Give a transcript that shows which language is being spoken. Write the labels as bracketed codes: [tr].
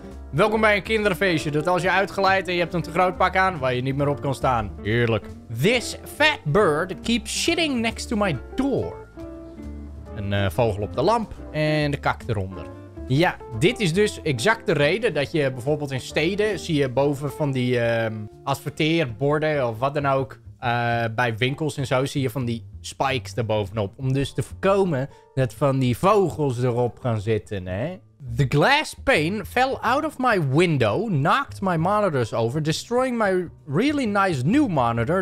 [nl] Welkom bij een kinderfeestje, dat als je uitgeleid en je hebt een te groot pak aan, waar je niet meer op kan staan. Heerlijk. [en] This fat bird keeps shitting next to my door. [nl] Een vogel op de lamp en de kak eronder. Ja, dit is dus exact de reden dat je bijvoorbeeld in steden, zie je boven van die adverteerborden of wat dan ook, bij winkels en zo, zie je van die spikes erbovenop. Om dus te voorkomen dat van die vogels erop gaan zitten, hè. [en] The glass pane fell out of my window, knocked my monitors over, destroying my really nice new monitor.